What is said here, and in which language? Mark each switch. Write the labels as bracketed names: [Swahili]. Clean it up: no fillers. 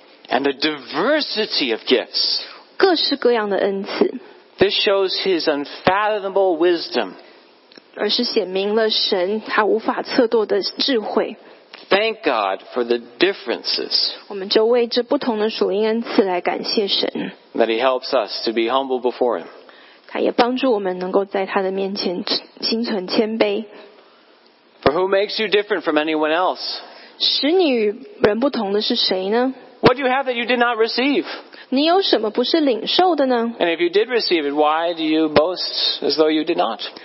[English] And the diversity of gifts. [Chinese] 各式各样的恩赐。 [English] This shows His unfathomable wisdom. [Chinese] 而是显明了神他无法测度的智慧。 [English] Thank God for the differences. [Chinese] 我们就为这不同的属灵恩赐来感谢神。 [English] That He helps us to be humble before Him. [Chinese] 他也帮助我们能够在他的面前心存谦卑。 [English] For who makes you different from anyone else? [Chinese] 使你与人不同的是谁呢？ [English] What do you have that you did not receive? [Chinese] 你有什么不是领受的呢？ [English] And if you did receive it, why do you boast as though you did not?